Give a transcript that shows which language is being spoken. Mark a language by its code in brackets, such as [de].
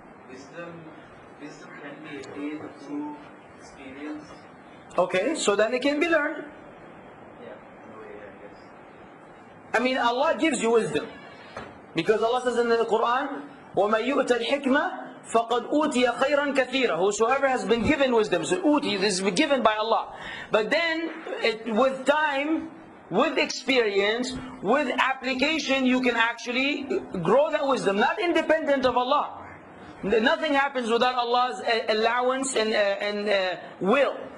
[en] Wisdom can be attained through experience. Okay, so then it can be learned. Yeah, no way, I guess. I mean, Allah gives you wisdom. Because Allah says in the Quran, [ar] وَمَا يُؤْتَ الْحِكْمَةِ فَقَدْ أُوْتِيَ خَيْرًا كَثِيرًا. [en] Whosoever has been given wisdom. So أُوْتِي, this is given by Allah. But then, with time, with experience, with application, you can actually grow that wisdom. Not independent of Allah. Nothing happens without Allah's allowance and will.